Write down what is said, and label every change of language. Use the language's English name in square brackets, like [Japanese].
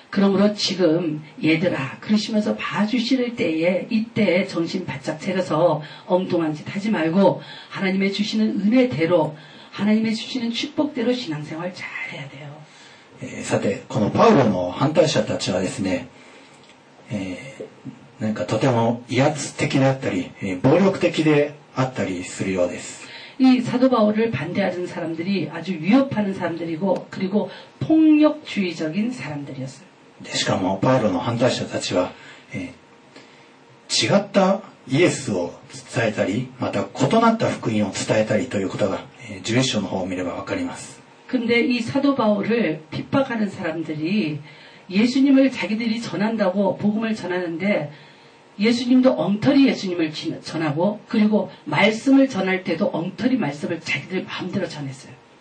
[Korean] 그러므로지금얘들아그러시면서봐주실때에이때정신바짝차려서엉뚱한짓하지말고하나님의주시는은혜대로하나님의주시는축복대로신앙생활잘해야돼요 [Japanese] さてこのパウロの反対者たちはですね、なんかとても威圧的であったり、暴力的であったりするようです。 [Korean] 이사도바울을반대하는사람들이아주위협하는사람들이고그리고폭력주의적인사람들이었어요。 [Japanese] でしかもパウロの反対者たちは、違ったイエスを伝えたり、また異なった福音を伝えたりということが、十一章の方を見ればわかります。 [Korean] 근데이사도바울을핍박하는사람들이예수님을자기들이전한다고복음을전하는데예수님도엉터리예수님을전하고그리고말씀을전할때도엉터리말씀을자기들마음대로전했어요